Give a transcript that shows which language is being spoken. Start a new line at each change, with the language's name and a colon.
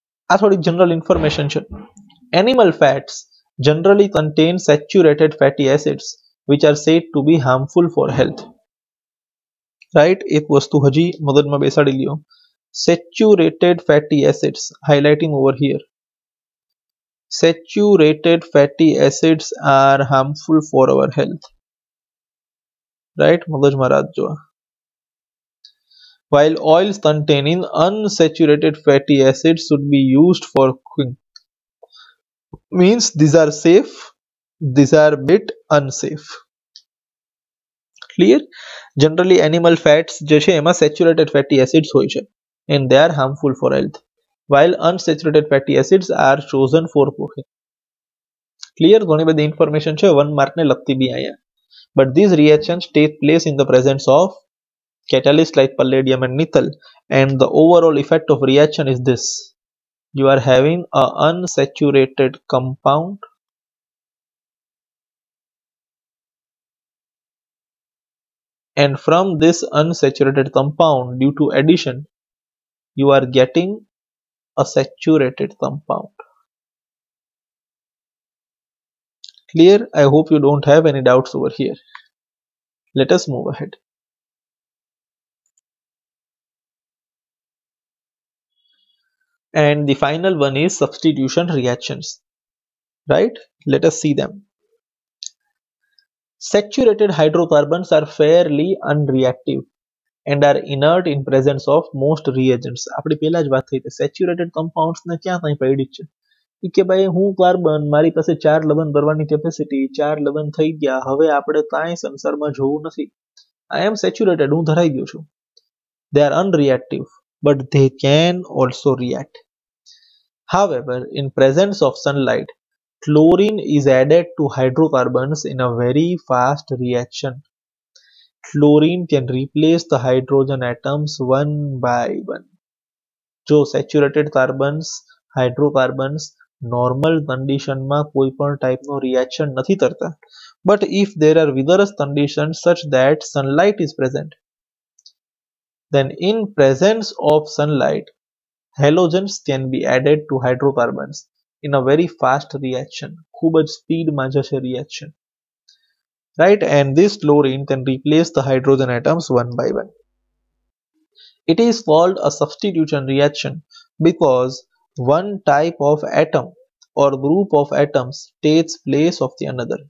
Gujarati: આ થોડી general information છે.
English: Animal fats generally contain saturated fatty acids which are said to be harmful for health, right?
Gujarati: એક વસ્તુ હજી મગજમાં બેસાડી લ્યો,
English: Saturated fatty acids, highlighting over here, saturated fatty acids are harmful for our health.
Hindi: Right, मगज महाराज जो है।
English: While oils containing unsaturated fatty acid should be used for cooking, means this are safe, this are bit unsafe. Clear? Generally animal fats जो है एमा saturated fatty acids
Gujarati: होय छे
English: And they are harmful for health, while unsaturated fatty acids are chosen for cooking. Clear?
Gujarati: ઘણી બધી information છે one mark ને લગતી ભી આયા,
English: But these reactions take place in the presence of catalyst like palladium and nickel and the overall effect of reaction is this, you are having a unsaturated compound and from this unsaturated compound due to addition you are getting a saturated compound. Clear? I hope you don't have any doubts over here. Let us move ahead. And the final one is substitution reactions. Right? Let us see them. Saturated hydrocarbons are fairly unreactive and are inert in presence of most reagents.
Gujarati: આપણે પહેલા જ વાત થઈ હતી saturated compounds ને ક્યાં કઈ પડી છે કે ભાઈ હું કાર્બન મારી પાસે ચાર લવણ ભરવાની કેપેસિટી, ચાર લવણ થઈ ગયા, હવે આપણે કાંઈ સંસારમાં જોવું નથી,
English: I am saturated,
Gujarati: હું ધરાઈ ગયો છું।
English: They are unreactive but they can also react, however in presence of sunlight chlorine is added to hydrocarbons in a very fast reaction, chlorine can replace the hydrogen atoms one by one.
Gujarati: જો saturated carbons hydrocarbons normal કન્ડિશનમાં કોઈ પણ ટાઈપનો reaction નથી કરતા,
English: but if there are vigorous condition such that sunlight is present, then in presence of sunlight halogens can be added to hydrocarbons in a very fast reaction,
Gujarati: ખૂબ જ સ્પીડમાં જશે reaction,
English: Right, and this chlorine can replace the hydrogen atoms one by one. It is called a substitution reaction because one type of atom or group of atoms takes place of the another।